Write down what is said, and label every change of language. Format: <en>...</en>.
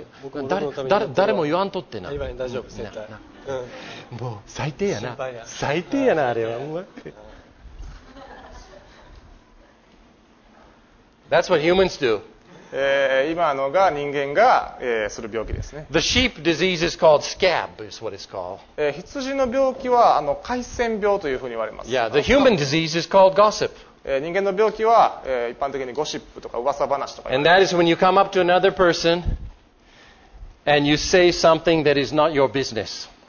<ja>うん、僕誰も言わんとってな大丈夫絶対、うん、もう最低やな心配や最低やなあれはうまく</ja> <en>That's what humans do.</en> <ja>今のが人間が、する病気ですね。</ja> <en>The sheep disease is called scab, is what it's called.</en> <ja>羊の病気は回線病というふうに言われます。</ja> <en>Yeah, the human disease is called gossip.</en> <ja>人間の病気は、一般的にゴシップとか噂話とか。</ja> <en>And that is when you come up to another person and you say something that is not your business.</en>